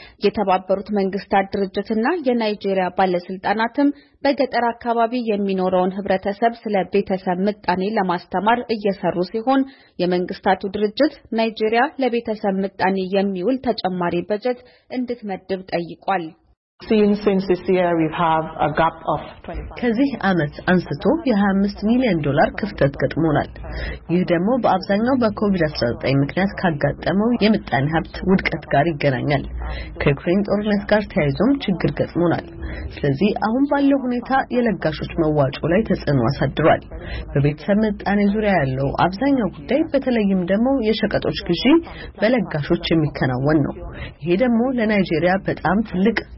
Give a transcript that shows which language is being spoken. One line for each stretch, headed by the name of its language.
Amharic: የተባበሩት መንግስታት ድርጅትና የናይጄሪያ ባለስልጣናትም በገጠር አካባቢ የሚኖረውን ህብረተሰብ ስለ ቤተሰብ ምጣኔ ለማስተማር እየሰሩ ሲሆን የመንግስታቱ ድርጅት ናይጄሪያ ለቤተሰብ ምጣኔ የሚውል ተጨማሪ በጀት እንድትመድብ ጠይቋል።
English: Since this year we have a gap of 25
Amharic: ከዚህ አመት አንስቶ የ25 ሚሊዮን ዶላር ክፍተት ገጥሞናል። ይህ ደግሞ በአብዛኛው በኮቪድ-19 ምክንያት ካጋጠመው የምጣኔ ሀብት ውድቀት ጋር ይገናኛል። ከዩክሬን ጦርነት ጋር ተያይዞም ችግር ገጥሞናል። ስለዚህ አሁን ባለው ሁኔታ የለጋሾች መዋጮ ላይ ተጽዕኖ አሳድሯል። በቤተሰብ ምጣኔ ዙሪያ ያለው አብዛኛው ጉዳይ በተለይም ደግሞ የሸቀጦች ግዢ በለጋሾች የሚከናወን ነው። ይሄ ደግሞ ለናይጄሪያ በጣም ትልቅ